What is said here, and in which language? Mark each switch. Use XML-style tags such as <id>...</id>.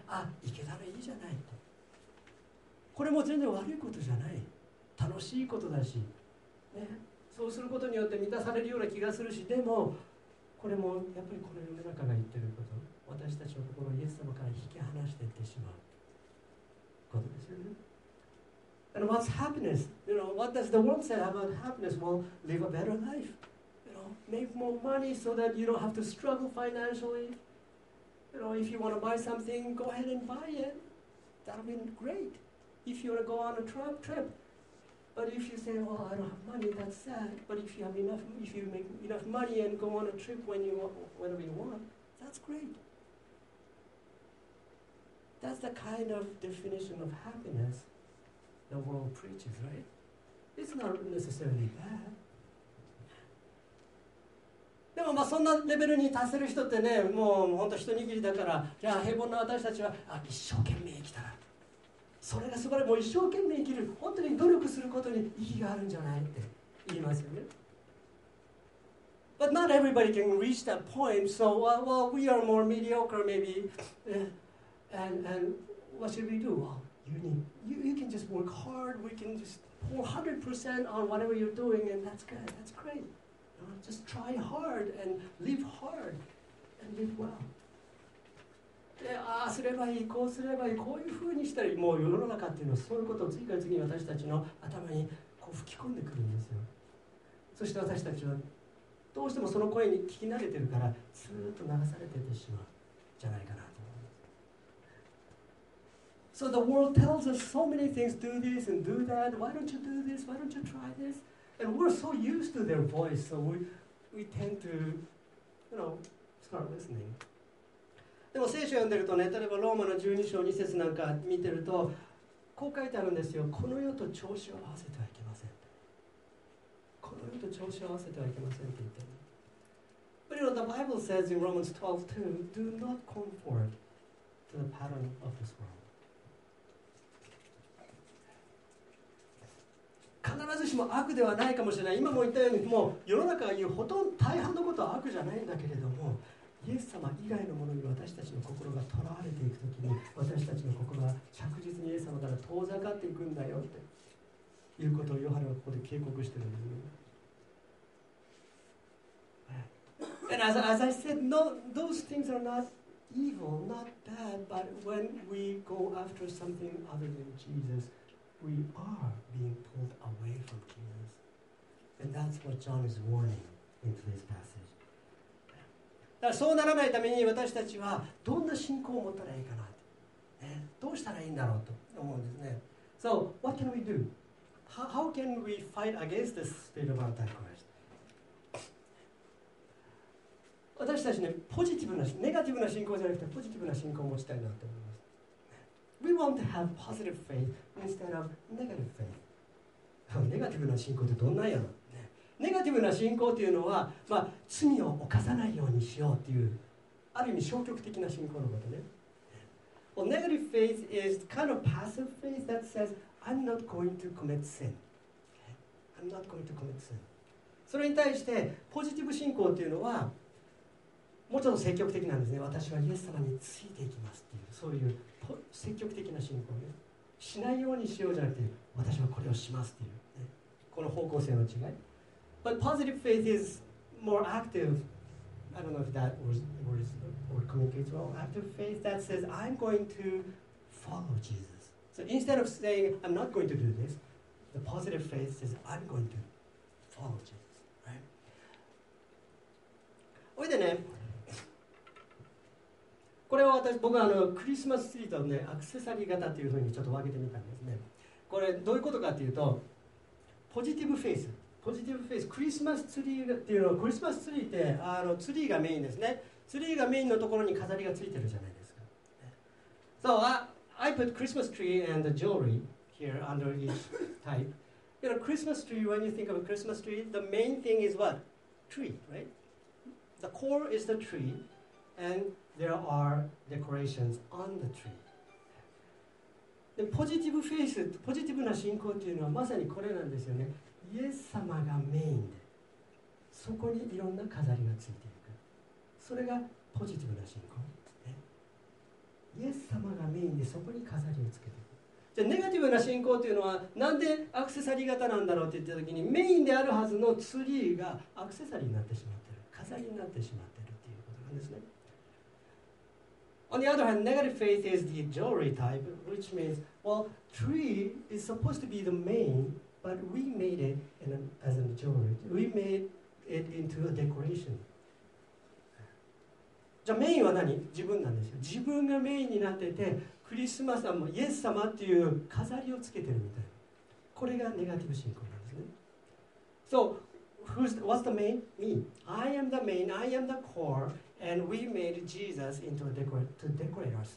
<ja>あ、行けたらいいじゃないって。これも全然悪いことじゃない。楽しいことだし。ね、そうすることによって満たされるような気がするし、でもこれもやっぱりこの世の中が言ってること、私たちの心をイエス様から引き離していってしまうことですよね。</ja> <en>And what's happiness? You know, what does the world say about happiness? Well, live a better life. You know, make more money so that you don't have to struggle financially. You know, if you want to buy something, go ahead and buy it. That'll be great. If you want to go on a trip,But if you say, well, I don't have money, that's sad. But if you have enough, if you make enough money and go on a trip whenever you want, that's great. That's the kind of definition of happiness the world preaches, right? It's not necessarily bad.</en> <ja>でもまあそんなレベルに達せる人ってね、もう本当一握りだから、じゃあ平凡な私たちは、あ、一生懸命生きたら。それが素晴らしい。もう一生懸命生きる、本当に努力することに意義があるんじゃないって言いますよね。</ja> <en>But not everybody can reach that point. So, well, we are more mediocre, maybe. And what should we do? Well, you can just work hard. We can just pour 100% on whatever you're doing, and that's good. That's great. You know, just try hard and live hard and live well.</en> <ja>ああすればいい、こうすればいい、こういうふうにしたり、もう世の中っていうのはそういうことを次から次に私たちの頭にこう吹き込んでくるんですよ。そして私たちはどうしてもその声に聞き慣れてるから、ずっと流されててしまうじゃないかなと思います。</ja> <en>So the world tells us so many things, do this and do that, why don't you do this, why don't you try this? And we're so used to their voice, so we tend to, you know, start listening.</en> <ja>でも聖書読んでるとね、例えばローマの12章2節なんか見てるとこう書いてあるんですよ。この世と調子を合わせてはいけません。この世と調子を合わせてはいけませんって言ってる。</ja> <en>But you know, the Bible says in Romans 12:2, do not conform to the pattern of this world.</en> <ja>必ずしも悪ではないかもしれない。今も言ったように、もう世の中が言うほとんど大半のことは悪じゃないんだけれども、イエス様以外のものに私たちの心が囚われていくときに、私たちの心が着実にイエス様から遠ざかっていくんだよっていうことをヨハネはここで警告してるんですね。</ja> <en>And as I said, no, those things are not evil, not bad, but when we go after something other than Jesus, we are being pulled away from Jesus. And that's what John is warning in this passage.</en> <ja>だからそうならないために私たちはどんな信仰を持ったらいいかな、ね、どうしたらいいんだろうと思うんですね。</ja> <en>So, what can we do? How can we fight against this spirit of Antichrist?</en> <ja>私たちね、ポジティブな、ネガティブな信仰じゃなくてポジティブな信仰を持ちたいなと思います。</ja> <en>We want to have positive faith instead of negative faith.</en> <ja>ネガティブな信仰ってどんなんやろ、ね、ネガティブな信仰っていうのは、まあ、罪を犯さないようにしようっていう、ある意味消極的な信仰のことね。</ja> <en>Well, negative faith is kind of passive faith that says, I'm not going to commit sin. I'm not going to commit sin.</en> <ja>それに対して、ポジティブ信仰っていうのは、もうちょっと積極的なんですね。私はイエス様についていきますっていう、そういう積極的な信仰ね。しないようにしようじゃなくて、私はこれをしますっていう、ね、この方向性の違い。</ja> <en>But positive faith is more active. I don't know if that was or communicates well. Active faith that says I'm going to follow Jesus. So instead of saying I'm not going to do this, the positive faith says I'm going to follow Jesus. Right?</en> <ja>おいでね。これは私僕はあのクリスマスツリーとねアクセサリー型というふうにちょっと分けてみたんですね。これどういうことかというと、ポジティブフェイス、ポジティブフェイス、クリスマスツリーっていうのは、クリスマスツリーってあのツリーがメインですね。ツリーがメインのところに飾りがついてるじゃないですか。</ja> <en>So I put Christmas tree and the jewelry here under each type. You know, Christmas tree, when you think of a Christmas tree, the main thing is what? Tree, right? The core is the tree andThere are decorations on the tree.</en> <ja>で、ポジティブフェイス、ポジティブな信仰というのはまさにこれなんですよね。イエス様がメインで、そこにいろんな飾りがついていく。それがポジティブな信仰。ね、イエス様がメインで、そこに飾りをつけていく。じゃあ、ネガティブな信仰というのは、なんでアクセサリー型なんだろうって言ったときに、メインであるはずのツリーがアクセサリーになってしまっている。飾りになってしまっているということなんですね。</ja> <en>On the other hand, negative faith is the jewelry type, which means, well, tree is supposed to be the main, but we made it in a, as a jewelry. We made it into a decoration.</en> <ja>じゃあメインは何？自分なんですよ。自分がメインになってて、クリスマスもイエス様っていう飾りをつけてるみたいな。これがネガティブ信仰なんですね。</ja> <en>So, what's the main? Me. I am the main, I am the core. And we made Jesus into a to decorate ourselves.</en>